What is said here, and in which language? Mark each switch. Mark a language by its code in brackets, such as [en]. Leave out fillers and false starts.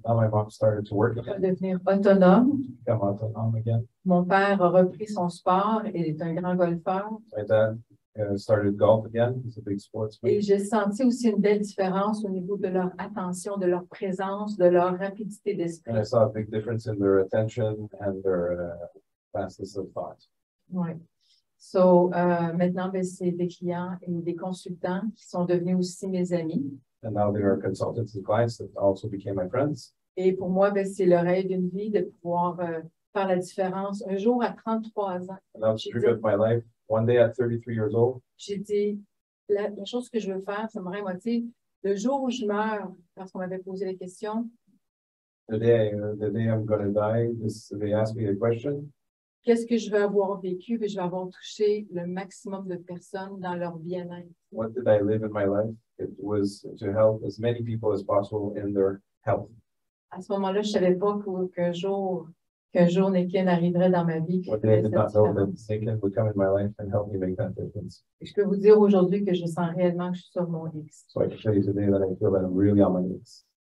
[en] Now my mom started to work again. [fr] Devenir autonome. [en] Become autonome again. [fr] Mon père a repris son sport. Il est un grand golfeur. [en] My dad. Started golf again. He's a big sportsman. [fr] Et j'ai senti aussi une belle différence au niveau de leur attention, de leur présence, de leur rapidité d'esprit. [en] And I saw a big difference in their attention and their fastness of thought. [fr] Ouais. So maintenant, ben, c'est des clients et des consultants qui sont devenus aussi mes amis. [en] And now they are consultants and clients that also became my friends. [fr] Et pour moi, ben, c'est le rêve d'une vie de pouvoir faire la différence un jour à 33 ans. [en] And that's true of my life. One day at 33 years old, [fr] j'ai dit, la chose que je veux faire, ça me remotive, le jour où je meurs, parce qu'on m'avait posé la question. [en] The day I'm going to die, they asked me a question. [fr] Qu'est-ce que je vais avoir vécu, et je vais avoir touché le maximum de personnes dans leur bien-être. [en] What did I live in my life? It was to help as many people as possible in their health. [fr] À ce moment-là, je ne savais pas qu'un jour Nikin arriverait dans ma vie. Je peux vous dire aujourd'hui que je sens réellement que je suis sur mon X. [en] So I can show you today that I feel that I'm really on my X.